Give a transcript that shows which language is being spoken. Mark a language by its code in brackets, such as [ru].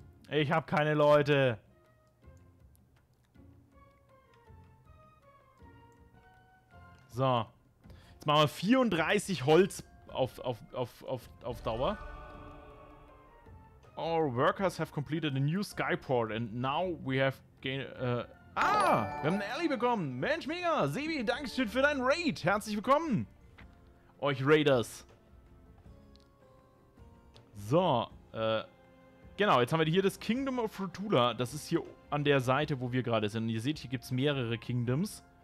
[de] Ich habe keine Leute. So. Jetzt machen wir 34 Holz auf Dauer. [en] Our workers have completed a new skyport and now we have gained... Ah! [de] Wir haben eine Ally bekommen. Mensch, mega. Sebi, danke schön für deinen Raid. Herzlich willkommen. Euch Raiders. So. Genau, jetzt haben wir hier das Kingdom of Rutula. Das ist hier an der Seite, wo wir gerade sind. Und ihr seht, hier gibt es mehrere Kingdoms.